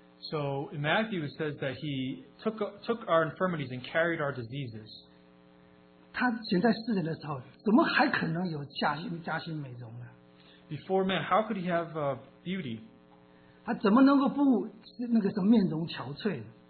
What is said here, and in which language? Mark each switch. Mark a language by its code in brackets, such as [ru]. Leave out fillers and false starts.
[en] So in Matthew it says that he took our infirmities and carried our diseases. [zh] 他现在世人的时候，怎么还可能有加薪美容呢？ [en] Before man, how could he have beauty? [zh] 他怎么能够不那个什么面容憔悴？